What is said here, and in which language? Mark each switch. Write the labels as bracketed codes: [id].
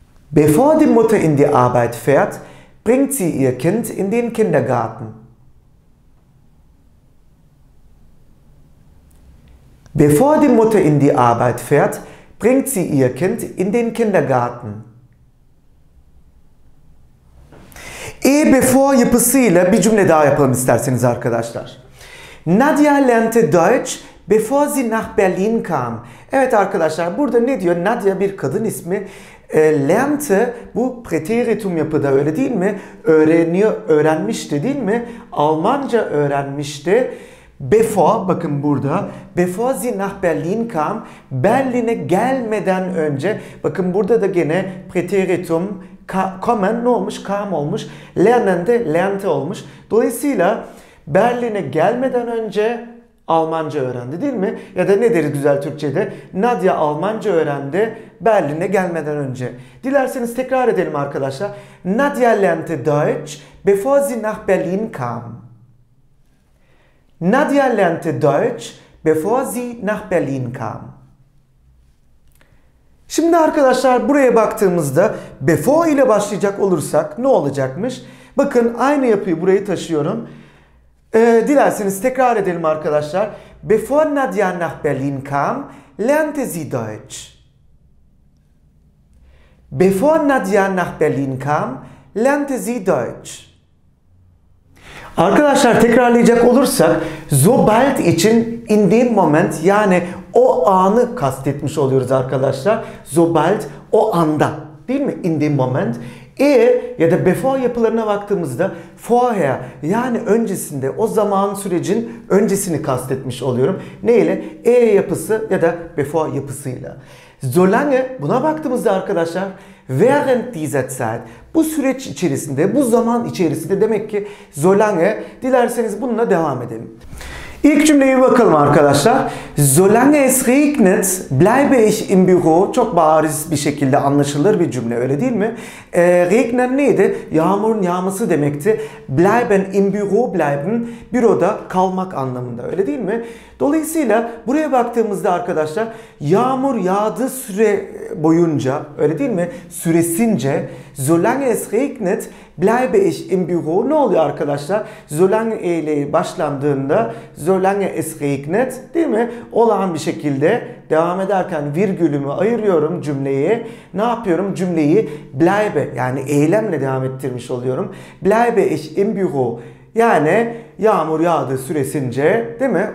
[de] Bevor die Mutter in die Arbeit fährt, bringt sie ihr Kind in den Kindergarten. Bevor die Mutter in die Arbeit fährt, bringt sie ihr Kind in den Kindergarten. [tr] Ehe bevor yapısıyla bir cümle daha yapalım isterseniz arkadaşlar. [de] Nadia lernte Deutsch bevor sie nach Berlin kam. [tr] Evet arkadaşlar, burada ne diyor? Nadia bir kadın ismi. Lernte bu preteritum yapıda, öyle değil mi? Öğreniyor, öğrenmişti değil mi? Almanca öğrenmişti. Bevor, bakın burada, [de] bevor sie nach Berlin kam, [tr] Berlin'e gelmeden önce, bakın burada da gene preteritum, kommen ne olmuş? Kam olmuş. Lernen de lernte olmuş. Dolayısıyla Berlin'e gelmeden önce Almanca öğrendi değil mi? Ya da ne deriz güzel Türkçe'de? Nadia Almanca öğrendi Berlin'e gelmeden önce. Dilerseniz tekrar edelim arkadaşlar. [de] Nadia lernte Deutsch, bevor sie nach Berlin kam. Nadia lernte Deutsch, bevor sie nach Berlin kam. [tr] Şimdi arkadaşlar buraya baktığımızda before ile başlayacak olursak ne olacakmış? Bakın aynı yapıyı buraya taşıyorum. Dilerseniz tekrar edelim arkadaşlar. [de] Before Nadia nach Berlin kam, lernte sie Deutsch. Before Nadia nach Berlin kam, lernte sie Deutsch. [tr] Arkadaşlar tekrarlayacak olursak, sobald için [de] in dem Moment [tr] yani o anı kastetmiş oluyoruz arkadaşlar. Sobald o anda değil mi? [de] In dem Moment. [tr] Ya da before yapılarına baktığımızda vorher yani öncesinde o zaman sürecin öncesini kastetmiş oluyorum. Neyle? Yapısı ya da before yapısıyla. Solange buna baktığımızda arkadaşlar [de] während dieser Zeit [tr] bu süreç içerisinde bu zaman içerisinde demek ki solange dilerseniz bununla devam edelim. İlk cümleye bir bakalım arkadaşlar. [de] Solange es regnet, bleibe ich im Büro. [tr] Çok bariz bir şekilde anlaşılır bir cümle öyle değil mi? Regnen neydi? Yağmurun yağması demekti. [de] Bleiben im Büro, [tr] bleiben büroda kalmak anlamında öyle değil mi? Dolayısıyla buraya baktığımızda arkadaşlar yağmur yağdığı süre boyunca öyle değil mi? Süresince [de] Solange es regnet, bleibe ich im Büro. [tr] Ne oluyor arkadaşlar? Solange eyleyi başlandığında [de] Solange es regnet [tr] değil mi? Olağan bir şekilde devam ederken virgülümü ayırıyorum cümleyi. Ne yapıyorum? Cümleyi bleibe yani eylemle devam ettirmiş oluyorum. [de] Bleibe ich im Büro. [tr] Yani yağmur yağdığı süresince değil mi?